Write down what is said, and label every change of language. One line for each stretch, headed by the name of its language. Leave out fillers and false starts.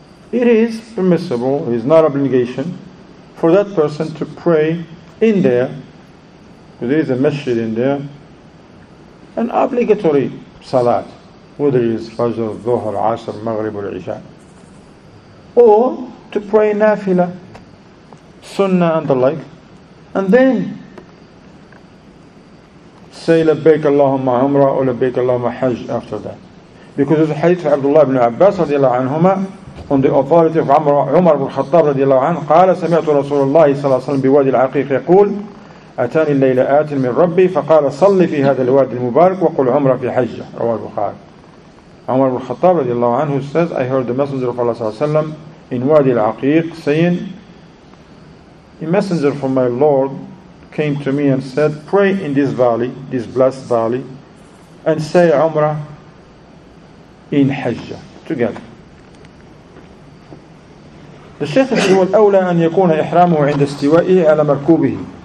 English: It is permissible, it is not obligation for that person to pray in there, because there is a masjid in there, an obligatory salat, whether it is Fajr, Dhuhr, Asr, Maghrib, or Isha, or to pray Nafila, Sunnah, and the like, and then say Labbaik Allahumma Umrah or Labbaik Allahumma Hajj after that.
Arabic: Because of the hadith of Abdullah ibn Abbas radiallahu anhuma, on the authority of Umar ibn Khattab radiallahu anhu, قال سمعت رسول الله صلى الله عليه وسلم بوادي العقيق يقول أتاني الليلة آت من ربي فقال صلي في هذا الوادي المبارك وقل عمرة في حجة رواه البخاري.
English: Umar ibn Khattab radiallahu anhu says, I heard the messenger of Allah صلى الله عليه وسلم in Wadi al-Aqiq saying, a messenger from my Lord came to me and said, pray in this valley, this blessed valley, and say Umrah in Hajj together.
Arabic: The Shaykh is the أولى أن يكون إحرامه عند استوائه على مركوبه.